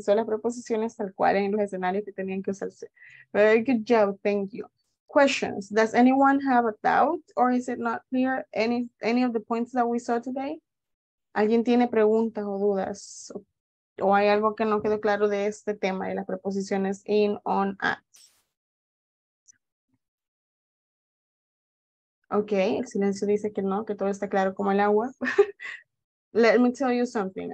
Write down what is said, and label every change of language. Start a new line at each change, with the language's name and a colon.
Spanish: Son las preposiciones tal cual en los escenarios que tenían que usarse.
English: Very good job. Thank you. Questions. Does anyone have a doubt or is it not clear any of the points that we saw today?
Spanish: ¿Alguien tiene preguntas o dudas? ¿O hay algo que no quedó claro de este tema de las preposiciones in, on, at? Okay. El silencio dice que no, que todo está claro como el agua.
English: Let me tell you something.